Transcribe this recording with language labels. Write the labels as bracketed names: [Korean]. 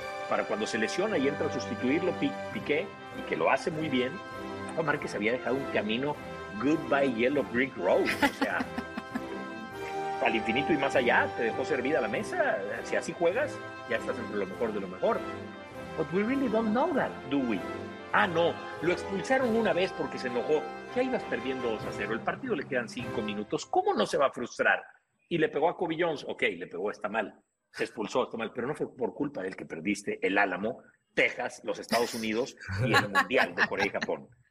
[Spanish] Para cuando se lesiona y entra a sustituirlo Piqué, y que lo hace muy bien, Rafa Márquez había dejado un camino goodbye yellow brick road. O sea, al infinito y más allá, te dejó servida la mesa. Si así juegas, ya estás entre lo mejor de lo mejor. [English] But we really don't know that, do we? [Spanish] Ah, no, lo expulsaron una vez porque se enojó. Ya ibas perdiendo 2-0, el partido le quedan 5 minutos. ¿Cómo no se va a frustrar? Y le pegó a Kobe Jones. Ok, le pegó, está mal. Se expulsó, está mal, pero no fue por culpa del que perdiste el Álamo, Texas, los Estados Unidos y el Mundial de Corea y Japón.